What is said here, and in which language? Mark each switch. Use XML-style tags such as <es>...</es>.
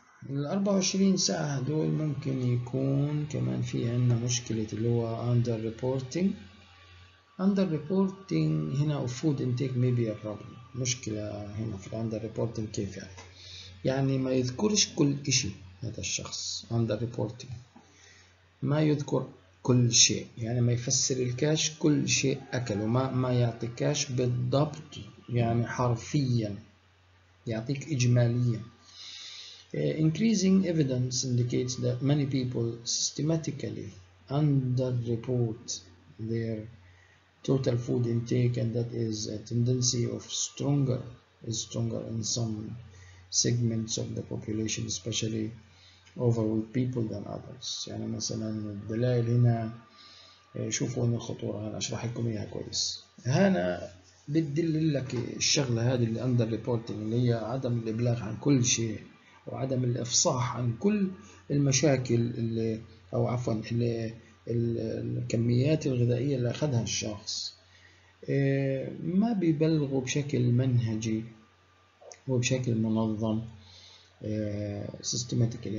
<ar>ال 24 ساعة دول ممكن يكون كمان في عندنا مشكلة اللي هو under reporting.</ar> <en>under reporting هنا of food intake may be a problem.</en> <ar>مشكلة هنا في under reporting، كيف يعني؟ يعني ما يذكرش كل إشي هذا الشخص under reporting، ما يذكر كل شيء، يعني ما يفسر الكاش كل شيء أكله، ما يعطي كاش بالضبط، يعني حرفيا يعطيك إجماليا.</ar> <en>Increasing evidence indicates that many people systematically underreport their total food intake, and that is a tendency of stronger in some segments of the population, especially overweight people than others.</en> <ar>يعني مثلا الدلائل هنا، شوفوا هنا الخطورة، هنا اشرح لكم اياها كويس. هنا بتدل لك الشغلة هذه اللي under reporting، اللي هي عدم الابلاغ عن كل شيء وعدم الافصاح عن كل المشاكل اللي او عفوا اللي الكميات الغذائية اللي اخذها الشخص، ما بيبلغوا بشكل منهجي وبشكل منظم سيستماتيكلي.</ar>